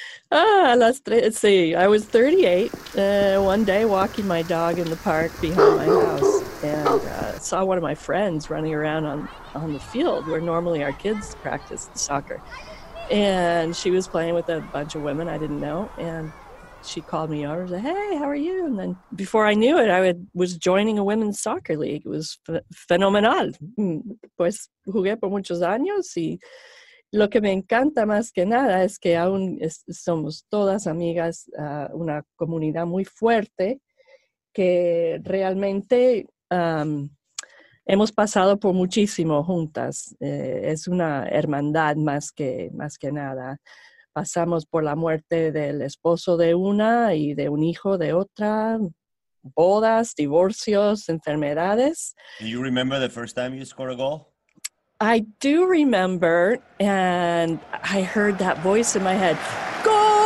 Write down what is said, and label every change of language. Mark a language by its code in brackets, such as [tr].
[en] I was 38, one day walking my dog in the park behind my house, and saw one of my friends running around on the field where normally our kids practice soccer. And she was playing with a bunch of women I didn't know, and... She called me over and said, hey, how are you? And then before I knew it, I was joining a women's soccer league. It was phenomenal. [es] Pues jugué por muchos años y lo que me encanta más que nada es que aún somos todas amigas, una comunidad muy fuerte que realmente hemos pasado por muchísimo juntas. Es una hermandad más que nada. Pasamos por la muerte del esposo de una y de un hijo de otra, bodas, divorcios, enfermedades. [en] Do you remember the first time you scored a goal? I do remember, and I heard that voice in my head, goal!